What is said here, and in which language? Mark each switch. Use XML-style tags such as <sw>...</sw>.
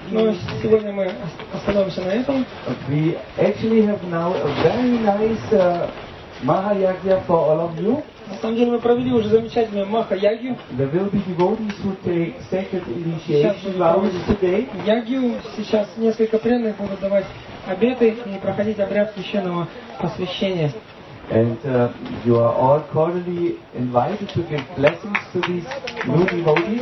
<ru>Но сегодня мы остановимся на этом.</ru> <en>We actually have now a very nice Mahayagya for all of you.</en> <ru>На самом деле мы провели уже замечательную Mahayagyu.</ru> <en>There will be devotees who take second initiation rounds today.</en> <ru>Ягью сейчас несколько преданных будут давать обеты и проходить обряд священного посвящения.</ru> <en>And you are all cordially invited to give blessings to these new devotees.</en>